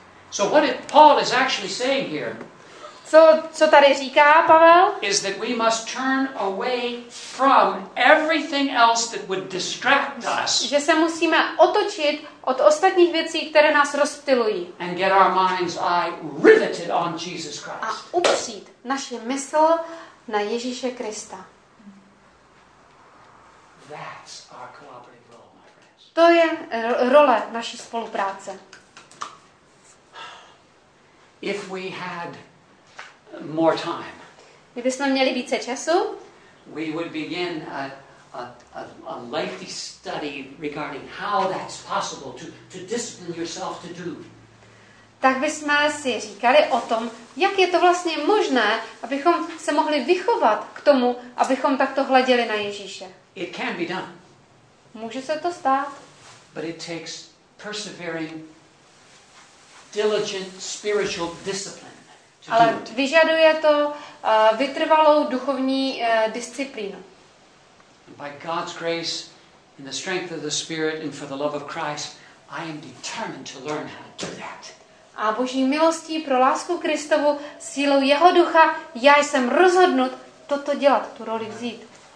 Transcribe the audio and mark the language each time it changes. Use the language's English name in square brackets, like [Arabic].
[English] So what did Paul is actually saying here? [Czech] Co tady říká Pavel? [English] Is that we must turn away from everything else that would distract us. [Czech] Že se musíme otočit od ostatních věcí, které nás rozptylují. [English] And get our mind's eye riveted on Jesus Christ. [Czech] A upřít naši mysl na Ježíše Krista. [English] That's our cooperative role, my friends. [Czech] To je role naší spolupráce. [English] If we had more time. [Czech] Kdybychom měli více času, [English] we would begin a lengthy study regarding how that's possible to discipline yourself to do. [Czech] Tak bychom si říkali o tom, jak je to vlastně možné, abychom se mohli vychovat k tomu, abychom takto hleděli na Ježíše. [English] It can be done. [Czech] Může se to stát. [English] But it takes persevering, diligent spiritual discipline. [Czech] Ale vyžaduje to vytrvalou duchovní disciplínu. [English] By God's grace in the strength of the Spirit and for the love of Christ, I am determined to learn how to do that. [Czech] a Boží milostí pro lásku Kristovu, sílou jeho ducha, já jsem rozhodnut toto dělat, tu roli vzít.